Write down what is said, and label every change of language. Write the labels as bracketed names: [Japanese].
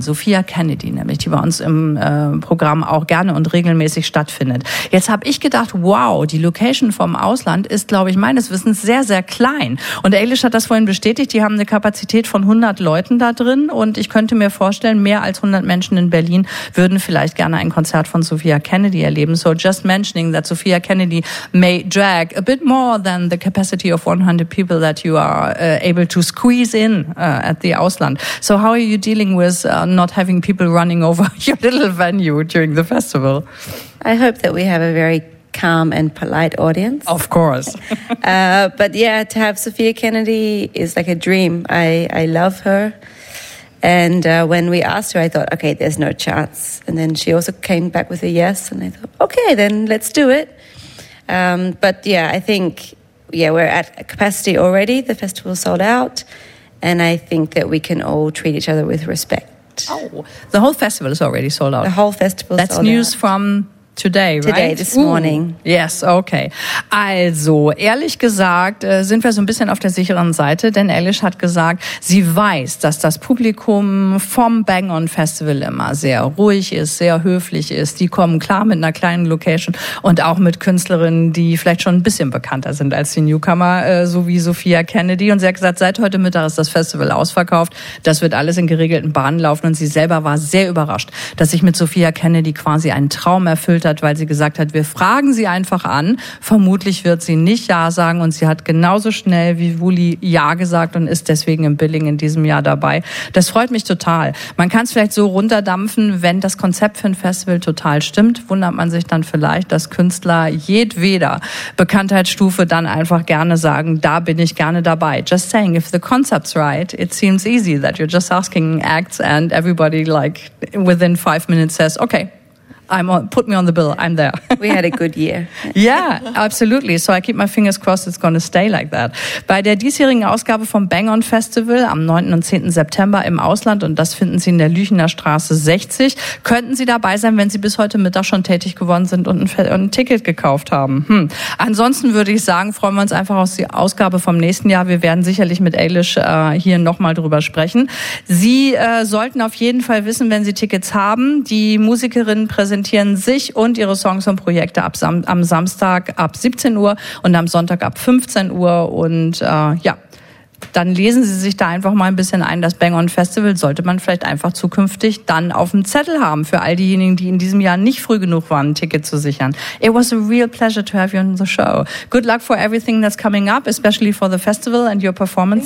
[German] Sophia Kennedy nämlich, die bei uns im Programm auch gerne und regelmäßig stattfindet. Jetzt habe ich gedacht, wow, die Location vom Ausland ist, glaube ich, meines Wissens sehr, sehr klein. Und Eilish hat das vorhin bestätigt, die haben eine Kapazität von 100 Leuten da drin und ich könnte mir vorstellen, mehr als 100 Menschen in Berlin würden vielleicht gerne ein Konzert von Sophia Kennedy erleben. [English] So just mentioning that Sophia Kennedy may drag a bit more than the capacity of 100 people that you are able to squeeze in at the Ausland. So how are you dealing with not having people running over your little venue during the festival? I hope that we have a very calm and polite audience. Of course. But yeah, to have Sophia Kennedy is like a dream. I love her. And when we asked her, I thought, okay, there's no chance. And then she also came back with a yes. And I thought, okay, then let's do it. But yeah, I think, yeah, we're at capacity already. The festival sold out. And I think that we can all treat each other with respect. Oh, the whole festival is already sold out. The whole festival sold out. That's news from today, right? Today, this morning. Yes, okay. [German] Also, ehrlich gesagt, sind wir so ein bisschen auf der sicheren Seite, denn Eilish hat gesagt, sie weiß, dass das Publikum vom Bang On Festival immer sehr ruhig ist, sehr höflich ist. Die kommen klar mit einer kleinen Location und auch mit Künstlerinnen, die vielleicht schon ein bisschen bekannter sind als die Newcomer, so wie Sophia Kennedy. Und sie hat gesagt, seit heute Mittag ist das Festival ausverkauft. Das wird alles in geregelten Bahnen laufen. Und sie selber war sehr überrascht, dass sich mit Sophia Kennedy quasi einen Traum erfüllt hat, weil sie gesagt hat, wir fragen sie einfach an. Vermutlich wird sie nicht Ja sagen. Und sie hat genauso schnell wie Wooly Ja gesagt und ist deswegen im Billing in diesem Jahr dabei. Das freut mich total. Man kann es vielleicht so runterdampfen, wenn das Konzept für ein Festival total stimmt, wundert man sich dann vielleicht, dass Künstler jedweder Bekanntheitsstufe dann einfach gerne sagen, da bin ich gerne dabei. [English] Just saying, if the concept's right, it seems easy that you're just asking acts and everybody like within 5 minutes says, okay, I'm on, put me on the bill, I'm there. We had a good year. Yeah, absolutely. So I keep my fingers crossed it's going to stay like that. [German] Bei der diesjährigen Ausgabe vom Bang On Festival am 9. und 10. September im Ausland, und das finden Sie in der Lüchener Straße 60, könnten Sie dabei sein, wenn Sie bis heute Mittag schon tätig geworden sind und ein Ticket gekauft haben. Ansonsten würde ich sagen, freuen wir uns einfach auf die Ausgabe vom nächsten Jahr. Wir werden sicherlich mit Eilish hier nochmal drüber sprechen. Sie sollten auf jeden Fall wissen, wenn Sie Tickets haben, die Musikerinnen präsentieren sich und ihre Songs und Projekte am Samstag ab 17 Uhr und am Sonntag ab 15 Uhr. Und ja, dann lesen Sie sich da einfach mal ein bisschen ein. Das Bang On Festival sollte man vielleicht einfach zukünftig dann auf dem Zettel haben für all diejenigen, die in diesem Jahr nicht früh genug waren, ein Ticket zu sichern. [English] It was a real pleasure to have you on the show. Good luck for everything that's coming up, especially for the festival and your performance